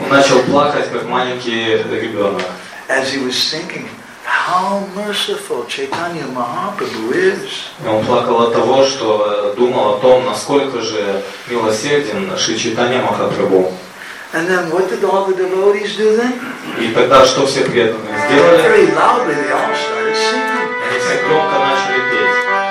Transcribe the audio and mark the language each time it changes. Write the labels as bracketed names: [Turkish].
[Russian] Он начал плакать, как маленький ребенок. [English] As he was thinking, how merciful Chaitanya Mahaprabhu is. [Russian] И он плакал от того, что думал о том, насколько же милосерден Шри Чайтанья Махапрабху. [English] And then what did all the devotees do then? [Russian] И тогда что все преданные сделали? [English] Very loudly they all started singing. [Russian] Они все громко начали петь.